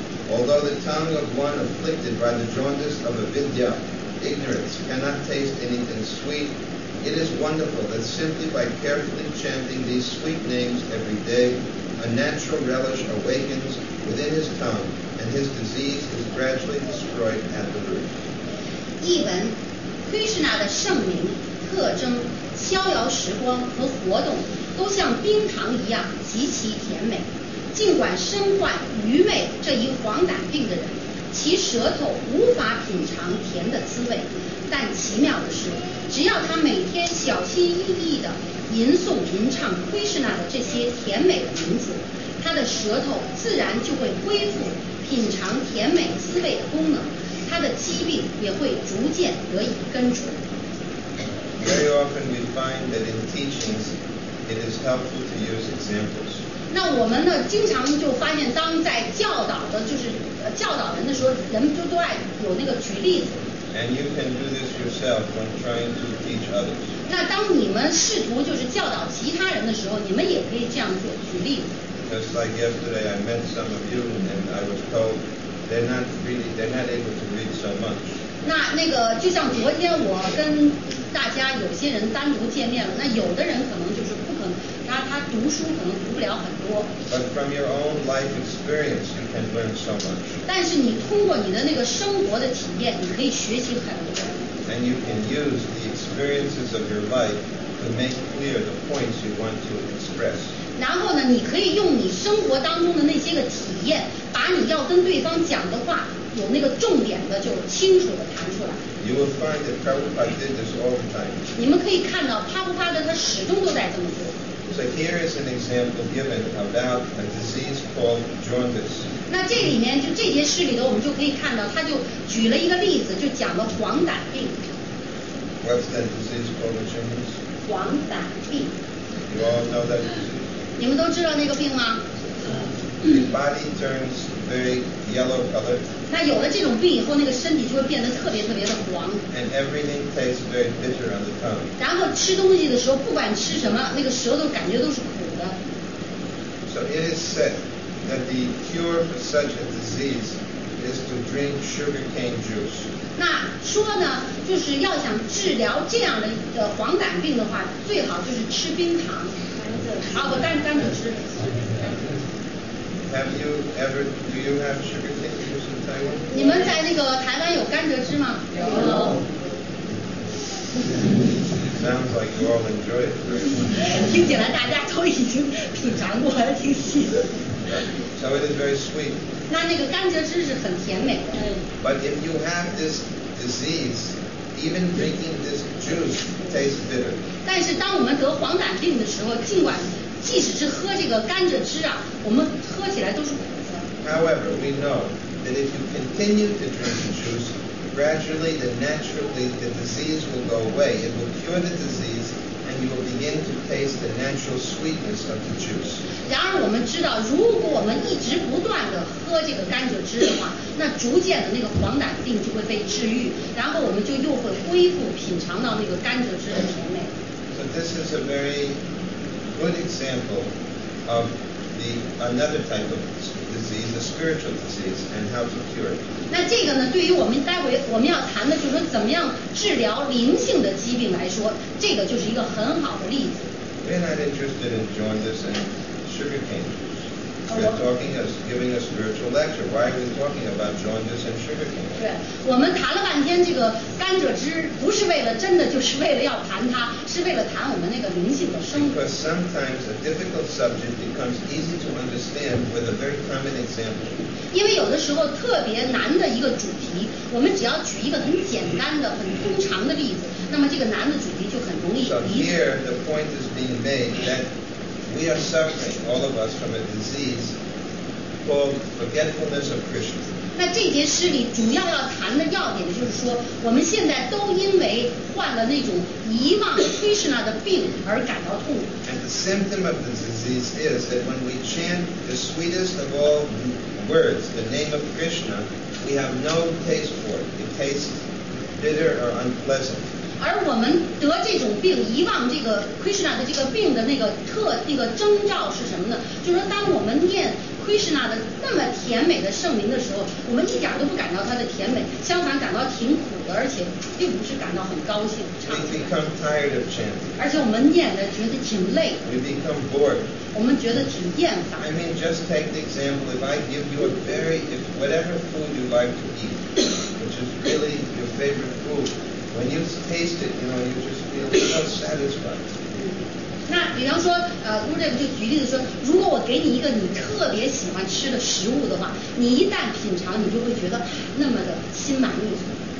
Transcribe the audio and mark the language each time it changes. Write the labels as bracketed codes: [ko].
[en] Although the tongue of one afflicted by the jaundice of avidya, ignorance, cannot taste anything sweet, it is wonderful that simply by carefully chanting these sweet names every day, a natural relish awakens within his tongue, and his disease is gradually destroyed at the root. Even [zh] Krishna 的圣名特征、逍遥时光和活动都像冰糖一样极其甜美。尽管身患愚昧这一黄疸病的人，其舌头无法品尝甜的滋味，但奇妙的是，只要他每天小心翼翼地吟诵吟唱 Krishna 的这些甜美的名字，他的舌头自然就会恢复品尝甜美滋味的功能，他的疾病也会逐渐得以根除。 [en] Very often we find that in teachings it is helpful to use examples. [zh] 那我们呢经常就发现当在教导的就是教导人的时候人们都爱有那个举例子。 [en] And you can do this yourself when trying to teach others. [zh] 那当你们试图就是教导其他人的时候你们也可以这样做举例子。 [en] Just like yesterday I met some of you and I was told they're not able to read so much. [zh] 那个就像昨天我跟大家有些人单独见面了，那有的人可能就是不可能，他读书可能读不了很多。 [en] But from your own life experience, you can learn so much. [zh] 但是你通过你的那个生活的体验，你可以学习很多。 [en] And you can use the experiences of your life to make clear the points you want to express. [zh] 然后呢，你可以用你生活当中的那些个体验，把你要跟对方讲的话，有那个重点的就清楚的弹出来。 [en] You will find that Prabhupada did this all the time. [zh] 你们可以看到帕布帕德他始终都在这么做。 [en] So here is an example given about a disease called jaundice. [zh] 那这里面就这节诗里头我们就可以看到他就举了一个例子就讲了黄疸病。 [en] What's that disease called jaundice? [zh] 黄疸病。 [en] You all know that disease? [zh] 你们都知道那个病吗？ [en] The body turns very yellow color. [zh] 那有了这种病以后，那个身体就会变得特别特别的黄。 [en] And everything tastes very bitter on the tongue. [zh] 然后吃东西的时候，不管吃什么，那个舌头感觉都是苦的。 [en] So it is said that the cure for such a disease is to drink sugarcane juice. [zh] 那说呢，就是要想治疗这样的黄疸病的话，最好就是吃冰糖。甘蔗吃。 [en] Have you ever, do you have sugar cane juice in Taiwan? [zh] 你们在那个台湾有甘蔗汁吗？有。 [en] Sounds like you all enjoy it very much. [zh] 听起来大家都已经品尝过了，挺喜的。 [en] So it is very sweet. [zh] 那个甘蔗汁是很甜美的。 [en] But if you have this disease, even drinking this juice tastes bitter. [zh] 但是当我们得黄疸病的时候，尽管即使是喝这个甘蔗汁啊，我们喝起来都是苦的。 [en] However, we know that if you continue to drink the juice, gradually and naturally the disease will go away. It will cure the disease, and you will begin to taste the natural sweetness of the juice. [zh] 然而我们知道，如果我们一直不断的喝这个甘蔗汁的话，那逐渐的那个黄疸病就会被治愈，然后我们就又会恢复品尝到那个甘蔗汁的甜美。 [en] So this is a very good example of another type of disease, a spiritual disease and how to cure it. [zh] 那这个呢，对于我们待会我们要谈的，就是说怎么样治疗灵性的疾病来说，这个就是一个很好的例子。 [en] We're not interested in jaundice and sugar cane. We're talking as giving a spiritual lecture. Why are we talking about jaundice and sugar cane? [zh] 对，我们谈了半天这个甘蔗汁，不是为了真的就是为了要谈它，是为了谈我们那个灵性的生活。 [en] Because sometimes a difficult subject becomes easy to understand with a very common example. [zh] 因为有的时候特别难的一个主题，我们只要举一个很简单的、很通常的例子，那么这个难的主题就很容易理解。 [en] So here the point is being made that we are suffering, all of us, from a disease called forgetfulness of Krishna. [zh] 那这节诗里主要要谈的要点就是说，我们现在都因为患了那种遗忘 Krishna 的病而感到痛苦。 [en] And the symptom of the disease is that when we chant the sweetest of all words, the name of Krishna, we have no taste for it. It tastes bitter or unpleasant. [zh] 而我们得这种病，遗忘这个 Krishna 的这个病的那个特那个征兆是什么呢？就是说，当我们念 Krishna 的那么甜美的圣名的时候，我们一点都不感到它的甜美，相反感到挺苦的，而且并不是感到很高兴。 [en] We become tired of chanting. [zh] 而且我们念的觉得挺累。 [en] We become bored. [zh] 我们觉得挺厌烦。 [en] I mean, just take the example. If I give you a very, if whatever food you like to eat, which is really your favorite food. When you taste it, you know, you just feel so satisfied. [zh] 那比方说，姑这个就举例子说，如果我给你一个你特别喜欢吃的食物的话，你一旦品尝，你就会觉得那么的心满意足。